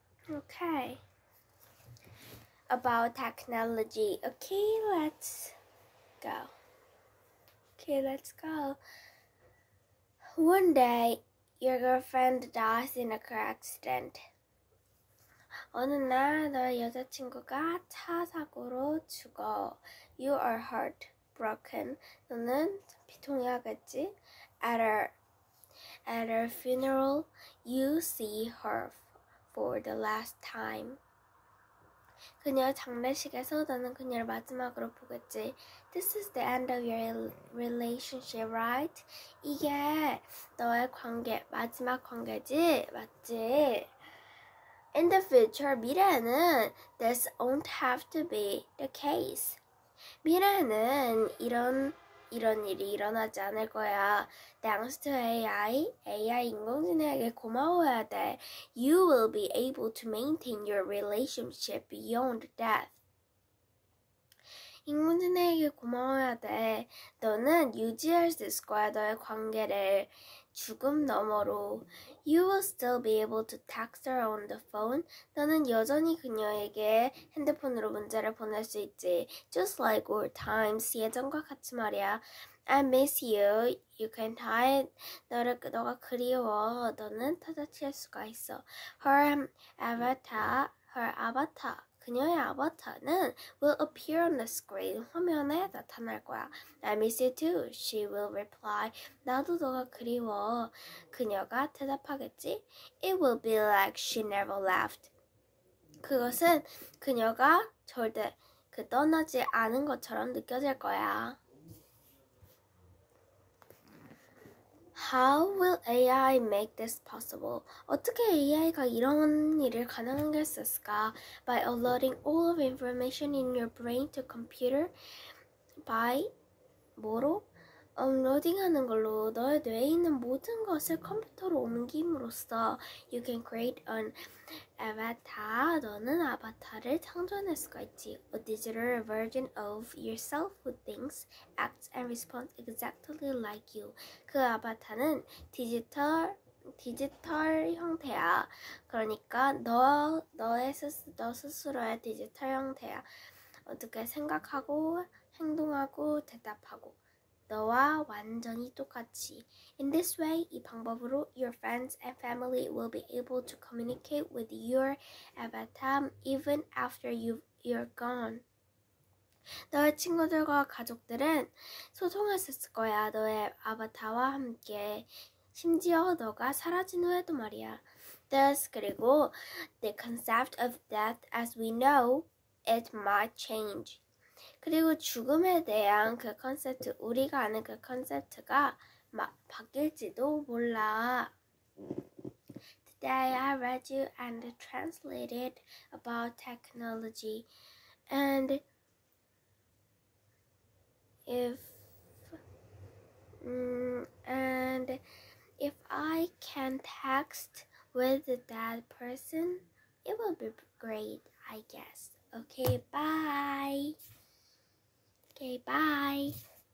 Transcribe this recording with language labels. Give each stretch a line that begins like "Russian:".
English: Okay. About technology. Okay, let's go. Okay, let's go. One day, your girlfriend dies in a car accident.
Korean: 어느 날 너의 여자친구가 차 사고로 죽어.
English: You are hurt, broken.
Korean: 너는 비통해하겠지?
English: At her funeral, you see her for the last time.
Korean: 그녀 장례식에서 너는 그녀를 마지막으로 보겠지.
English: This is the end of your relationship, right?
Korean: 이게 너의 관계, 마지막 관계지? 맞지?
English: In the future,
Korean: 미래에는
English: this won't have to be the case.
Korean: 미래에는 이런 일이 일어나지 않을 거야.
English: Thanks to AI, AI
Korean: 인공지능에게 고마워야 돼.
English: You will be able to maintain your relationship beyond death.
Korean: 인공지능에게 고마워야 돼. 너는 유지할 수 있을 거야, 너의 관계를. 죽음 너머로.
English: You will still be able to text her on the phone.
Korean: 너는 여전히 그녀에게 핸드폰으로 문자를 보낼 수 있지.
English: Just like old times.
Korean: 예전과 같이 말이야.
English: I miss you. You can tie it.
Korean: 너가 그리워. 너는 찾아칠 수가 있어.
English: Her avatar.
Korean: 그녀의 아바타는
English: will appear on the screen,
Korean: 화면에 나타날 거야.
English: I miss you too, she will reply.
Korean: 나도 너가 그리워. 그녀가 대답하겠지?
English: It will be like she never left.
Korean: 그것은 그녀가 절대 떠나지 않은 것처럼 느껴질 거야.
English: How will AI make this possible?
Korean: 어떻게 AI가 이런 일을 가능하게 할 수 있을까?
English: By uploading all of information in your brain to computer.
Korean: By 뭐로? Uploading 하는 걸로 너의 뇌에 있는 모든 것을 컴퓨터로 옮김으로써
English: You can create an avatar.
Korean: 너는 아바타를 창조할 수가 있지.
English: A digital version of yourself who thinks, acts, and responds exactly like you.
Korean: 그 아바타는 디지털 형태야. 그러니까 너 스스로의 디지털 형태야. 어떻게 생각하고 행동하고 대답하고 너와 완전히 똑같이.
English: In this way,
Korean: 이 방법으로
English: your friends and family will be able to communicate with your avatar even after you're gone.
Korean: 너의 친구들과 가족들은 소통할 수 있을 거야, 너의 아바타와 함께. 심지어 너가 사라진 후에도 말이야.
English: Thus,
Korean: 그리고
English: the concept of death as we know, it might change.
Korean: 그리고 죽음에 대한 그 컨셉트, 우리가 아는 그 컨셉트가 막 바뀔지도 몰라.
English: Today I read you and translated about technology. And if I can text with that person, it will be great, I guess. Okay, bye. Okay, bye.